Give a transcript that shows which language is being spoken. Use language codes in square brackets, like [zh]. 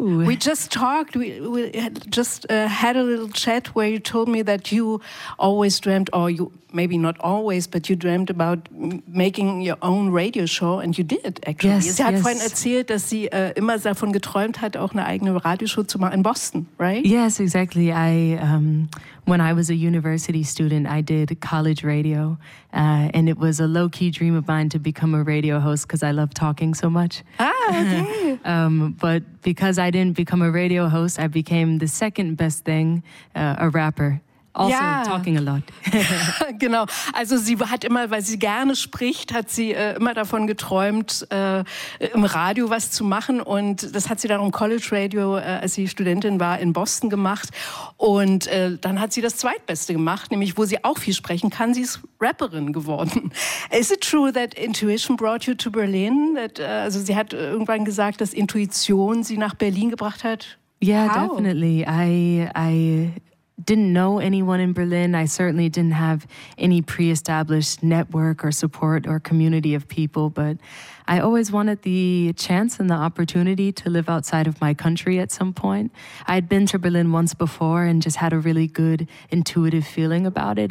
[en] We just talked, we had a little chat where you told me that you always dreamt, or you maybe not always, but you dreamt about making your own radio show, and you did, actually. Yes, [de] sie hat [en] yes. [de] vorhin erzählt, dass sie immer davon geträumt hat, auch eine eigene Radioshow zu machen in Boston, [en] right? Yes, exactly. When I was a university student, I did college radio, and it was a low-key dream of mine to become a radio host because I love talking so much. But because I didn't become a radio host, I became the second best thing, a rapper. [de] Also ja. [en] Talking a lot. [de] Genau. Also sie hat immer, weil sie gerne spricht, hat sie immer davon geträumt, im Radio was zu machen. Und das hat sie dann im College Radio, als sie Studentin war, in Boston gemacht. Und dann hat sie das Zweitbeste gemacht, nämlich wo sie auch viel sprechen kann. Sie ist Rapperin geworden. [en] Is it true that intuition brought you to Berlin? [de] Also sie hat irgendwann gesagt, dass Intuition sie nach Berlin gebracht hat. [en] Yeah, how? Definitely. I didn't know anyone in Berlin. I certainly didn't have any pre-established network or support or community of people, but I always wanted the chance and the opportunity to live outside of my country at some point. I'd been to Berlin once before and just had a really good intuitive feeling about it.